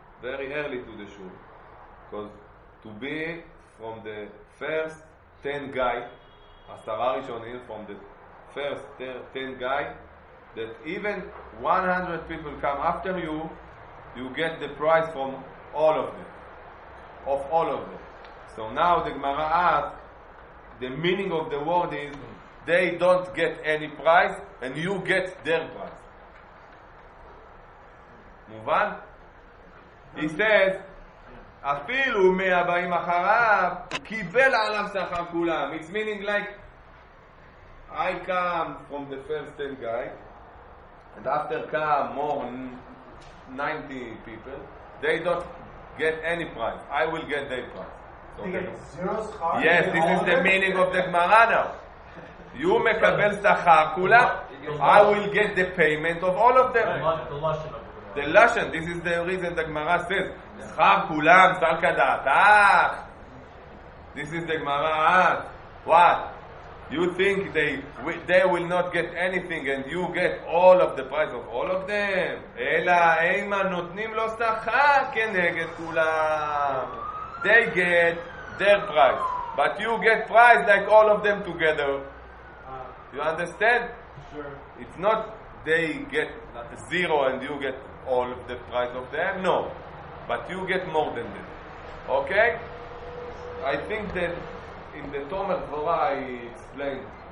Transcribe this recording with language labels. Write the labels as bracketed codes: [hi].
[en] Very early to the shul, because to be from the first 10 guy, Asara Rishonim, from the first 10 guy, that even 100 people come after you, you get the prize from all of them. Of all of them. So now the Gemara asks, the meaning of the word is they don't get any prize and you get their prize. [he] מובן? [en] He says, [he] אפילו מהבאים אחריו, קיבל עליו שכר כולם. [en] It's meaning like, I come from the first 10 guy, and after come more 90 people, they don't get any prize. I will get their prize. Okay. Yes, this is the meaning of the Gemara now. You [he] מקבל שכר כולם, [en] I will get the payment of all of them. The lashon, this is the reason the Gemara says, [he] שכר כולם, שר כדעת, [en] אה! This is the Gemara, what? You think they will not get anything and you get all of the price of all of them? [he] אלא, אימא, נותנים לו שכר כנגד כולם. [en] They get their price. But you get price like all of them together. You understand? Sure. It's not they get zero and you get all of the price of them, no. But you get more than them. Okay? I think that in the Tomer Torah I explained.